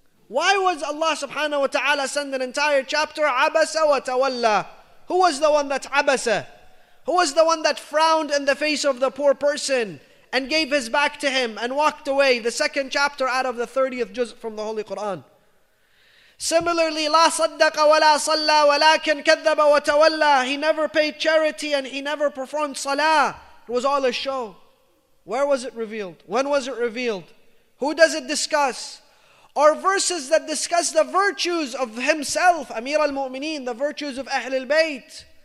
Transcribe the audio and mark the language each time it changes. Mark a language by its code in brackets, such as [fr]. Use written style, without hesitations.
[en] Why was Allah subhanahu wa ta'ala send an entire chapter Abasa wa tawalla? Who was the one that Abasa? Who was the one that frowned in the face of the poor person and gave his back to him and walked away? The second chapter out of the 30th juz from the Holy Quran. Similarly, [ar] لا صدق ولا صلى ولكن كذب وتولى. [en] He never paid charity and he never performed salah. It was all a show. Where was it revealed? When was it revealed? Who does it discuss? Or verses that discuss the virtues of himself, Amir al-Mu'mineen, the virtues of Ahlul Bayt.